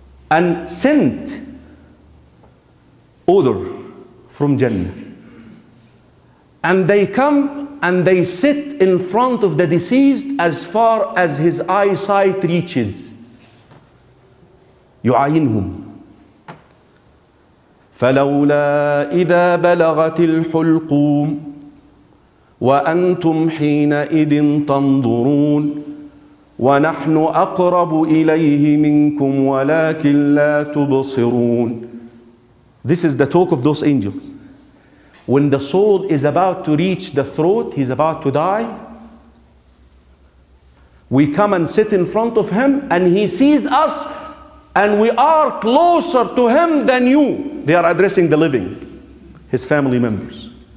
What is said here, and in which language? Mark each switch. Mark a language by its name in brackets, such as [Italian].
[English] And sent odor from Jannah. And they come and they sit in front of the deceased as far as his eyesight reaches. [Arabic] يعينهم. فلولا إذا بلغت الحلقوم وأنتم حينئذ تنظرون ونحن أقرب إليه منكم ولكن لا تبصرون. [English] This is the talk of those angels. When the soul is about to reach the throat, he's about to die. We come and sit in front of him and he sees us and we are closer to him than you. They are addressing the living, his family members.